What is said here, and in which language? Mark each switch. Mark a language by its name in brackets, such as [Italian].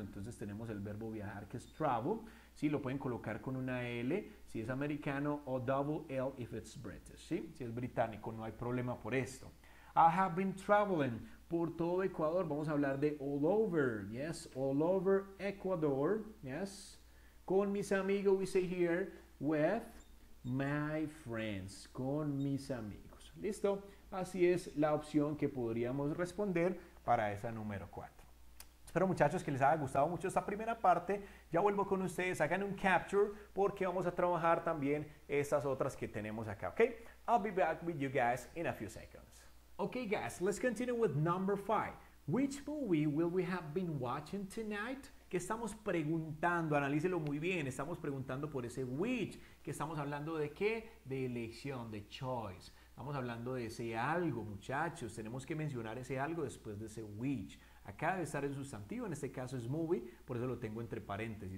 [Spanish] Entonces, tenemos el verbo viajar, que es travel. ¿Sí? Lo pueden colocar con una L, si es americano, o double L [English] if it's British. [Spanish] ¿Sí? Si es británico, no hay problema por esto. [English] I have been traveling [Spanish] por todo Ecuador. Vamos a hablar de all over. [English] Yes, all over Ecuador. Yes. [Spanish] Con mis amigos, [English] we say here, with my friends. [Spanish] Con mis amigos. ¿Listo? Así es la opción que podríamos responder para esa número 4. Espero, muchachos, que les haya gustado mucho esta primera parte. Ya vuelvo con ustedes. Hagan un capture porque vamos a trabajar también estas otras que tenemos acá. ¿Ok? [English] I'll be back with you guys in a few seconds. Okay, guys, let's continue with number 5. Which movie will we have been watching tonight? [Spanish] ¿Qué estamos preguntando? Analícelo muy bien. Estamos preguntando por ese which. ¿Qué estamos hablando de qué? De elección, de choice. Estamos hablando de ese algo, muchachos. Tenemos que mencionar ese algo después de ese which. Acá debe estar el sustantivo. En este caso es movie, por eso lo tengo entre paréntesis.